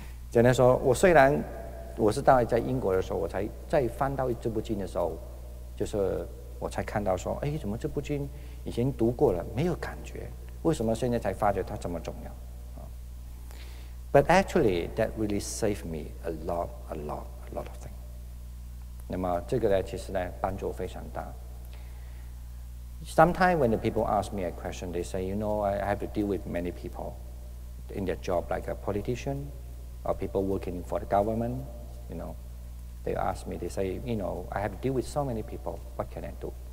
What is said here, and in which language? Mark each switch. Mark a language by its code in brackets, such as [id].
[zh] 简单说，我虽然我是到在英国的时候，我才再翻到这部经的时候，就是我才看到说，哎，怎么这部经以前读过了没有感觉？为什么现在才发觉它这么重要？ [en] But actually, that really saved me a lot of things. [zh] 那么这个呢，其实呢，帮助非常大。 [en] Sometimes when the people ask me a question, they say, you know, I have to deal with many people in their job, like a politician or people working for the government, you know. They ask me, they say, you know, I have to deal with so many people, what can I do?